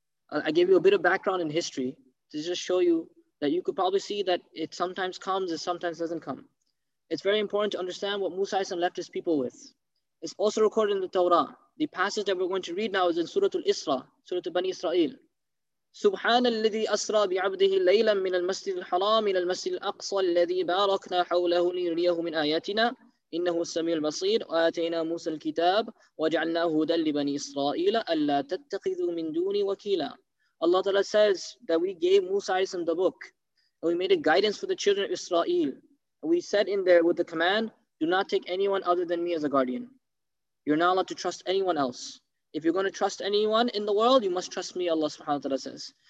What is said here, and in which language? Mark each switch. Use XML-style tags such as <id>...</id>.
<en>I gave you a bit of background in history to just show you that you could probably see that it sometimes comes and sometimes doesn't come. It's very important to understand what Musa alayhi salam left his people with. It's also recorded in the Torah. The passage that we're going to read now is in Surah Al-Isra, Surah Bani Israel.</en> <ar>سبحان الذي أسرى بعبده ليلا من المسجد الحرام إلى المسجد الأقصى الذي باركنا حوله لنريه من آياتنا إنه السميع البصير وآتينا موسى الكتاب وجعلناه هدى لبني إسرائيل ألا تتخذوا من دوني وكيلا.</ar> <en>Allah Ta'ala says that we gave Musa alayhi salam the book and we made a guidance for the children of Israel. And we said in there with the command, Do not take anyone other than me as a guardian. You're not allowed to trust anyone else. If you're going to trust anyone in the world, you must trust me, Allah subhanahu wa ta'ala says.</en>